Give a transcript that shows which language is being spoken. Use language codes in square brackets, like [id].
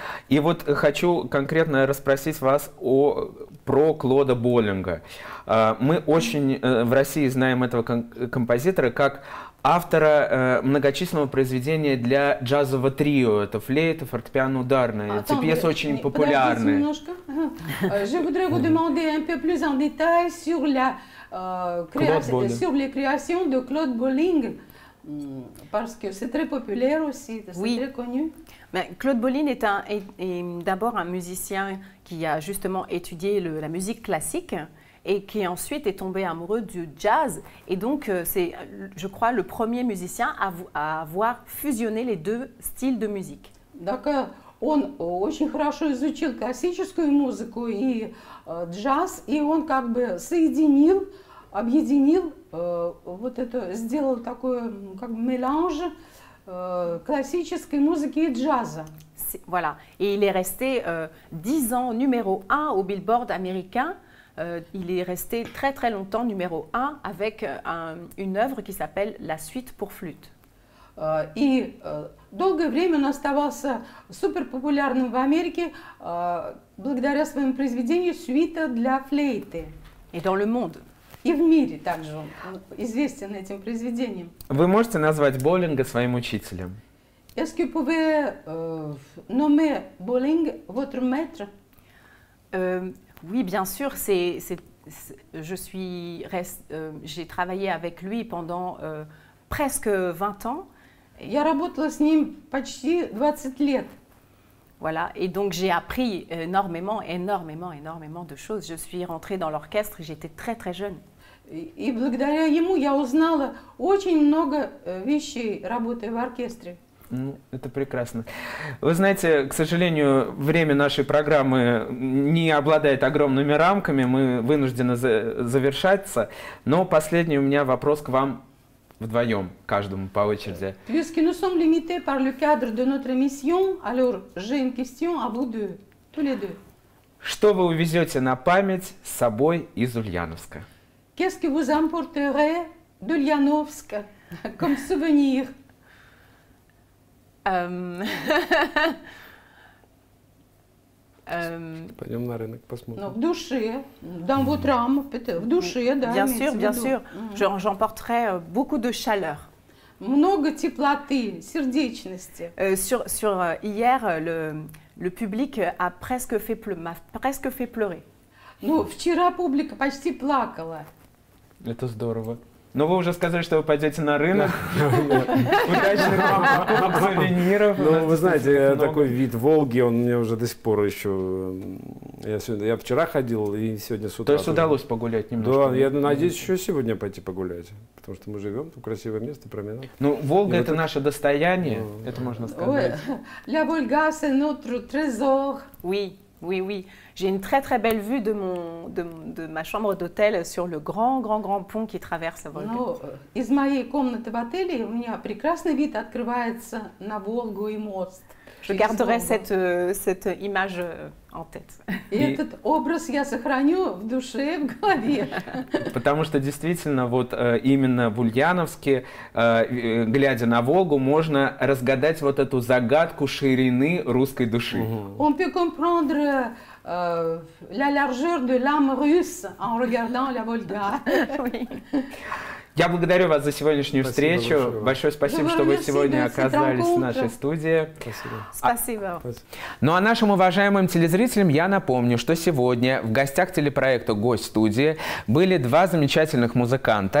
[ru] И вот хочу конкретно расспросить вас о, про Клода Боллинга. Мы очень в России знаем этого композитора как автора многочисленного произведения для джазового трио. Это флейта, фортепиано, ударная. Эти пьесы очень популярны. [fr] Je voudrais vous demander un peu plus en détail sur la création de Claude Bolling. Parce que c'est très populaire aussi, c'est oui. très connu. Mais Claude Bolling est d'abord un musicien qui a justement étudié la musique classique et qui ensuite est tombé amoureux du jazz. Et donc, c'est, je crois, le premier musicien à avoir fusionné les deux styles de musique. D'accord. [ru] Он очень хорошо изучил классическую музыку и джаз, и он как бы соединил, объединил, вот это сделал такое как бы меланж классической музыки и джаза. [fr] Voilà. Et il est resté 10 ans numéro 1 au Billboard américain. Il est resté très très longtemps numéro 1 avec une œuvre qui s'appelle La suite pour flûte. [ru] И долгое время он оставался суперпопулярным в Америке благодаря своему произведению «Свита для флейты». И [fr] dans le monde. [ru] И в мире также он известен этим произведением. Вы можете назвать Боллинга своим учителем? [fr] Est-ce que vous pouvez nommer Bolling votre maître? Oui, bien sûr, je suis j'ai travaillé avec lui pendant presque 20 ans. [ru] Я работала с ним почти 20 лет. [fr] Voilà, et donc j'ai appris énormément de choses. Je suis rentrée dans l'orchestre, j'étais très très jeune. [ru] И благодаря ему я узнала очень много вещей, работая в оркестре. Это прекрасно. Вы знаете, к сожалению, время нашей программы не обладает огромными рамками, мы вынуждены завершаться, но последний у меня вопрос к вам. Вдвоем, каждому по очереди. [fr] Puisque nous sommes limités par le cadre de notre mission, alors j'ai une question à vous deux, tous les deux. [ru] Что вы увезете на память с собой из Ульяновска? [fr] Qu'est-ce que vous emporterez d'Ulyanovsk comme souvenir? [ru] Пойдем на рынок, посмотрим. В душе, [fr] dans votre âme, peut-être. [ru] В душе, да. [fr] Bien sûr, bien sûr. J'emporterai beaucoup de chaleur. [ru] Много теплоты, сердечности. [fr] Hier, le public a presque fait m'a presque fait pleurer. [ru] Ну, вчера публика почти плакала. Это здорово. Но вы уже сказали, что вы пойдете на рынок. Удачных вам покупок сувениров. Ну, вы знаете, такой вид Волги, он мне уже до сих пор еще... Я вчера ходил и сегодня с утра. То есть удалось погулять немножко? Да, я надеюсь еще сегодня пойти погулять. Потому что мы живем в красивое место, променад. Ну, Волга – это наше достояние, это можно сказать. [fr] La Volga, c'est notre trésor. Oui, oui, oui. J'ai une très très belle vue de ma chambre d'hôtel sur le grand grand grand pont qui traverse la Volga. [ru] Ну, из моей комнаты в отеле у меня прекрасный вид открывается на Волгу и мост. [fr] Je garderai cette image en tête. [ru] И этот образ я сохраню в душе, в голове. Потому что действительно вот именно в Ульяновске, глядя на Волгу, можно разгадать вот эту загадку ширины русской души. [fr] On peut comprendre la largeur de l'âme russe en regardant la Volga. [ru] Я благодарю вас за сегодняшнюю спасибо встречу. Большое спасибо, что вы сегодня оказались в нашей студии. Спасибо. Ну а нашим уважаемым телезрителям я напомню, что сегодня в гостях телепроекта «Гость студии» были два замечательных музыканта.